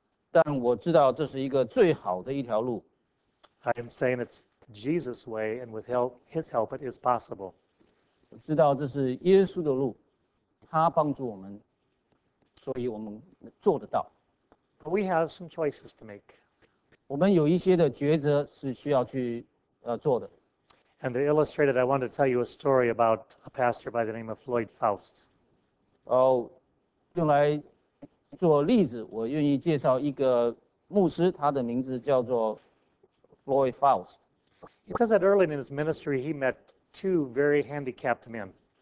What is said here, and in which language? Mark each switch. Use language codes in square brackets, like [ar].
[zh] 但我知道这是一个最好的一条路。 [en] I am saying it's Jesus' way, and with help, His help, it is possible. [zh] 我知道这是耶稣的路，他帮助我们，所以我们做得到。 [en] But we have some choices to make. [zh] 我们有一些的抉择是需要去做的。 [en] And to illustrate it, I want to tell you a story about a pastor by the name of Floyd Faust. [zh] 用来做例子，我愿意介绍一个牧师，他的名字叫做 Floyd Faust. [en] He says that early in his ministry, he met two very handicapped men.